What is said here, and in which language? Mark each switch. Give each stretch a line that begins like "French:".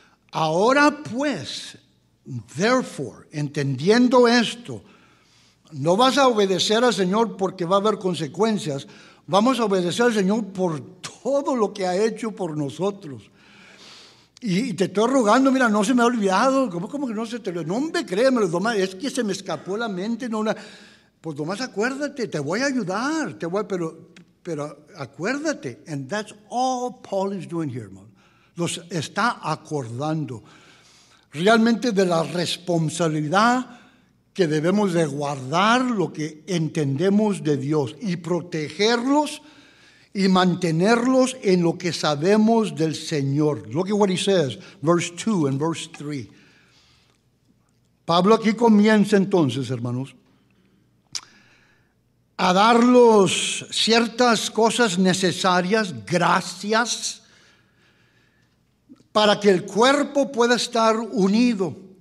Spanish: Ahora pues, therefore, entendiendo esto, no vas a obedecer al Señor porque va a haber consecuencias, vamos a obedecer al Señor por todo lo que ha hecho por nosotros. Y te estoy rogando, mira, no se me ha olvidado. ¿Cómo que no se te olvidó? No, hombre, créeme, es que se me escapó la mente. No, pues nomás acuérdate, te voy a ayudar, pero acuérdate.
English: And that's all Paul is doing here, man.
Spanish: Los está acordando realmente de la responsabilidad que debemos de guardar lo que entendemos de Dios y protegerlos y mantenerlos en lo que sabemos del Señor.
English: Look at what he says, verse 2 and verse 3.
Spanish: Pablo aquí comienza entonces, hermanos, a darlos ciertas cosas necesarias, gracias, para que el cuerpo pueda estar unido.